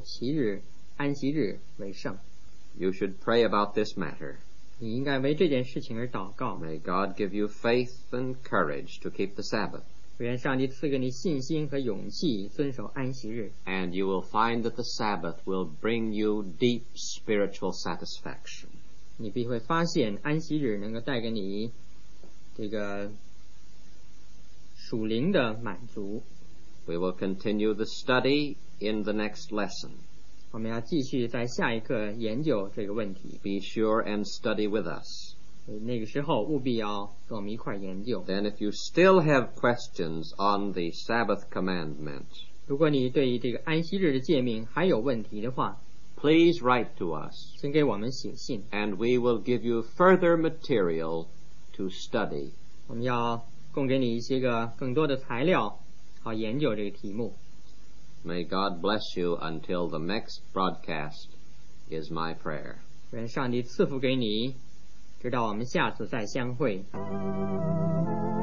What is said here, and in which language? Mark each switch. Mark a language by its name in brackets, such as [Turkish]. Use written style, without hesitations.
[Chinese] 圣经里头唯一吩咐我们守为圣日的这条命令就是吩咐我们要守其日安息日为圣。 [English] You should pray about this matter. [Chinese] 你应该为这件事情而祷告。 [English] May God give you faith and courage to keep the Sabbath. [Chinese] 愿上帝赐给你信心和勇气遵守安息日。 [English] And you will find that the Sabbath will bring you deep spiritual satisfaction. [Chinese] 你必会发现安息日能够带给你这个 属灵的满足。 [English] We will continue the study in the next lesson. [Chinese] 我们要继续在下一课研究这个问题。 [English] Be sure and study with us. [Chinese] 那个时候务必要跟我们一块研究。 [English] Then if you still have questions on the Sabbath commandment, [Chinese] 如果你对于这个安息日的诫命还有问题的话, [English] please write to us. [Chinese] 请给我们写信。 [English] And we will give you further material to study. [Chinese] 我们要 供给你一些个更多的材料, 好研究这个题目。 [English] May God bless you until the next broadcast is my prayer. [Chinese] 愿上帝赐福给你, 直到我们下次再相会。